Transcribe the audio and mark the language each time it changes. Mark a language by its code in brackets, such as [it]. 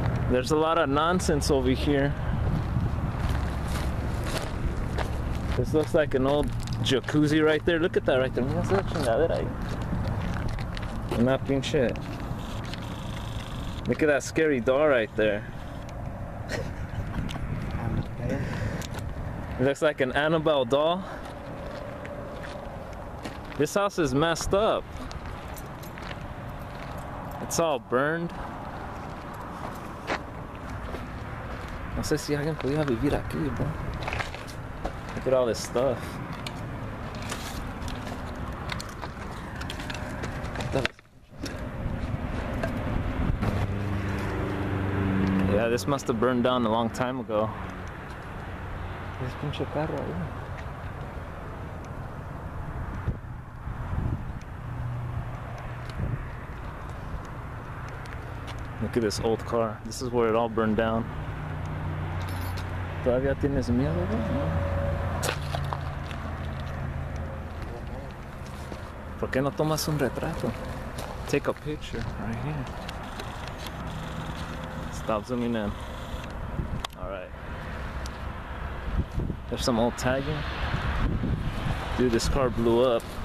[en] There's a lot of nonsense over here. This looks like an old jacuzzi right there. Look at that right there. [es] Mira esa chingadera ahí. Una pinche. [en] Look at that scary door right there. It looks like an Annabelle doll. This house is messed up. It's all burned. [es] No sé si alguien podía vivir aquí, bro. [en] Look at all this stuff. Yeah, this must have burned down a long time ago. [es] This pinche carro ahí. [en] Look at this old car. This is where it all burned down. [es] ¿Todavía tienes miedo, güey? ¿Por qué no tomas un retrato? [en] Take a picture right here. Stop zooming in. Alright. There's some old tagging. Dude, this car blew up.